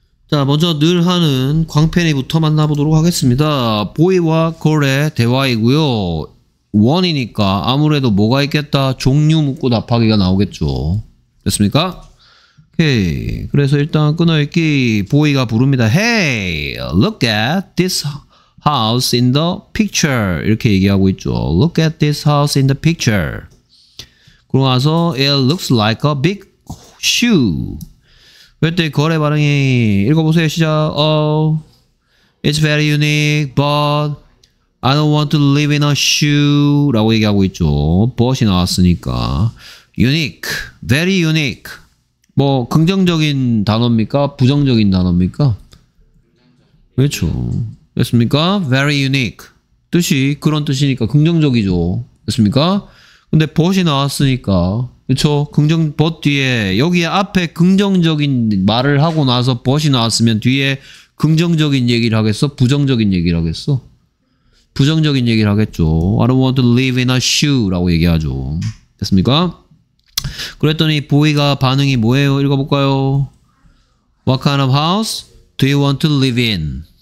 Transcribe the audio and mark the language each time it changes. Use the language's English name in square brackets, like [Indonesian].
[Korean] 자, 먼저 늘 하는 광팬이부터 만나보도록 하겠습니다. 보이와 걸의 대화이고요. 원이니까 아무래도 뭐가 있겠다. 종류 묻고 답하기가 나오겠죠. 됐습니까? 오케이. 그래서 일단 끊어읽기. 보이가 부릅니다. [English] Hey, look at this house in the picture. [Korean] 이렇게 얘기하고 있죠. [English] Look at this house in the picture. [Korean] 그러고 나서 [English] It looks like a big shoe. [Korean] 그랬더니 걸의 반응이 읽어보세요. 시작. [English] Oh, it's very unique, but I don't want to live in a shoe. [Korean] 라고 얘기하고 있죠. But이 나왔으니까. [English] Unique, very unique. [Korean] 뭐 긍정적인 단어입니까? 부정적인 단어입니까? 그렇죠. 됐습니까? [English] Very unique. [Korean] 뜻이 그런 뜻이니까 긍정적이죠. 됐습니까? 근데 but이 나왔으니까. 그렇죠. 긍정 but 뒤에 여기 앞에 긍정적인 말을 하고 나서 but이 나왔으면 뒤에 긍정적인 얘기를 하겠어? 부정적인 얘기를 하겠어? 부정적인 얘기를 하겠죠. [English] I don't want to live in a shoe라고 [Korean] 얘기하죠. 됐습니까? 그랬더니 보이가 반응이 뭐예요? 읽어볼까요? [English] What kind of house do you want to live in?